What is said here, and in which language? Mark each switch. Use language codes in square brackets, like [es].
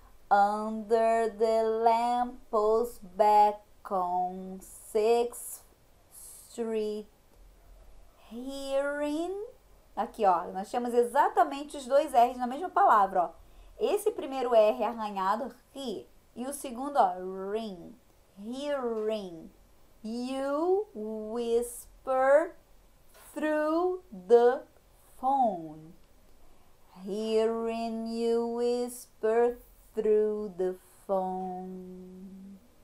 [en] Under the lamppost back on 6th Street, hearing. [pt] Aqui, ó, nós temos exatamente os dois R's na mesma palavra, ó. Esse primeiro R arranhado, he, e o segundo, ó, [en] ring, hearing. You whisper through the phone. Hearing you whisper through the phone.